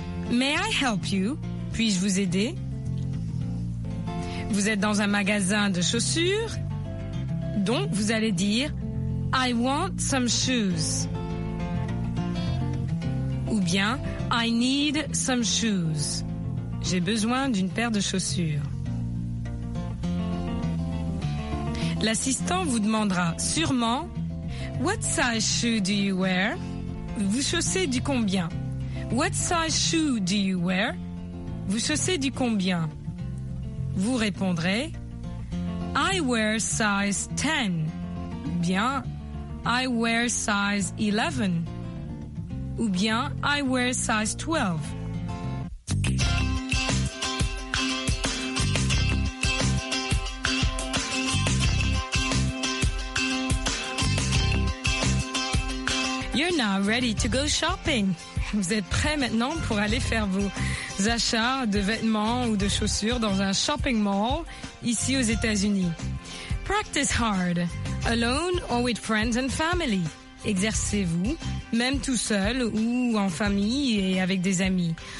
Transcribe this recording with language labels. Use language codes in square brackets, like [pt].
[en] May I help you? [fr] Puis-je vous aider? » Vous êtes dans un magasin de chaussures, donc vous allez dire « [en] I want some shoes. [fr] » Ou bien « [en] I need some shoes. [fr] » J'ai besoin d'une paire de chaussures. L'assistant vous demandera sûrement « [en] What size shoe do you wear? [fr] » Vous chaussez du combien? [en] What size shoe do you wear? [fr] Vous chaussez du combien? Vous répondrez [en] I wear size 10. [fr] Ou bien [en] I wear size 11. [fr] Ou bien [en] I wear size 12. You're now ready to go shopping. [fr] Vous êtes prêt maintenant pour aller faire vos achats de vêtements ou de chaussures dans un shopping mall ici aux États-Unis. [en] Practice hard, alone or with friends and family. [fr] Exercez-vous, même tout seul ou en famille et avec des amis.